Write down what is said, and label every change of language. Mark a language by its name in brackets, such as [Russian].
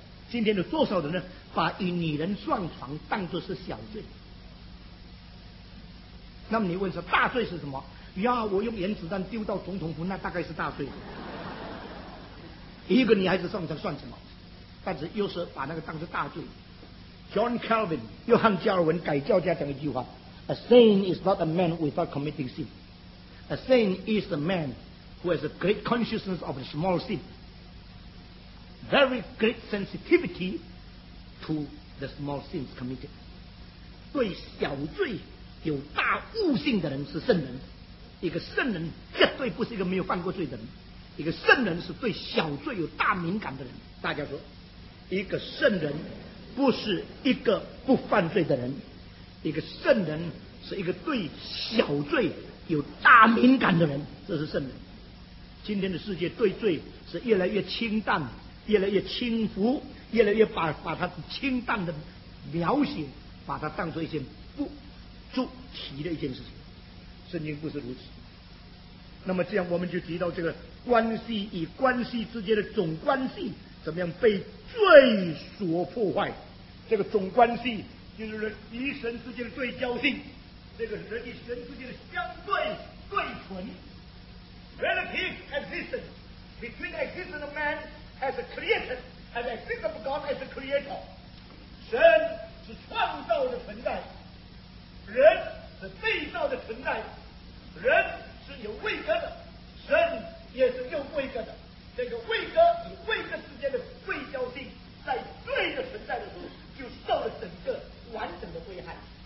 [Chinese] 今天有多少人呢，把与女人撞床当作是小罪？那么你问说大罪是什么呀？我用原子弹丢到总统府，那大概是大罪。一个女孩子撞床算什么？但是又是把那个当作大罪。 [English] John Calvin [Chinese] 约翰加尔文改教家讲一句话， [English] A saint is not a man without committing sin, A saint is a man who has a great consciousness of a small sin, Very great sensitivity to the small sins committed. [Chinese] 对小罪有大悟性的人是圣人，一个圣人绝对不是一个没有犯过罪的人，一个圣人是对小罪有大敏感的人。大家说，一个圣人不是一个不犯罪的人，一个圣人是一个对小罪有大敏感的人，这是圣人。今天的世界对罪是越来越清淡，越来越轻浮，越来越把它清淡的描写把它当作一件不足提的一件事情，圣经不是如此。那么这样我们就提到这个关系与关系之间的总关系怎么样被罪所破坏。这个总关系就是人与神之间的对焦性，这个人与神之间的相对对存 [English] relative existence between existence of man as a creator [Chinese] and existence of God as a creator。神是创造的存在，人是被造的存在，人是有位格的，神也是有位格的。这个位格与位格之间的对焦性，在罪的存在的时候，就受了整个完整的危害。